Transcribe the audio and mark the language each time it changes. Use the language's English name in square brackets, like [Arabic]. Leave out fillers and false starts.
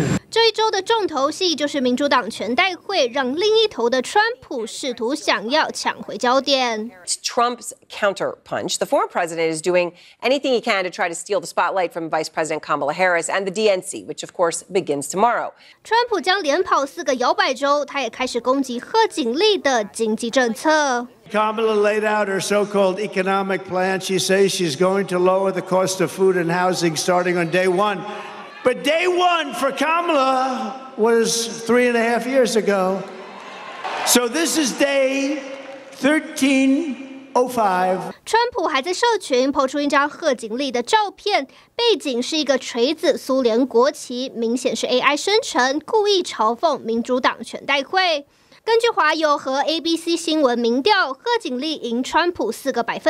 [Chinese] 这一周的重头戏就是民主党全代会，让另一头的川普试图想要抢回焦点。 [English] Trump's counter punch. The former president is doing anything he can to try to steal the spotlight from Vice President Kamala Harris and the DNC, which of course begins tomorrow. [Chinese] 川普将连跑4个摇摆州，他也开始攻击贺锦丽的经济政策。 [English] Kamala laid out her so-called economic plan. She says she's going to lower the cost of food and housing starting on day one. But day one for Kamala was 3.5 years ago. So this is day 1305. [Chinese] 川普还在社群抛出一张贺锦丽的照片，背景是一个锤子苏联国旗，明显是 AI 生成，故意嘲讽民主党全代会。根据华邮和 ABC 新闻民调，贺锦丽赢川普4%。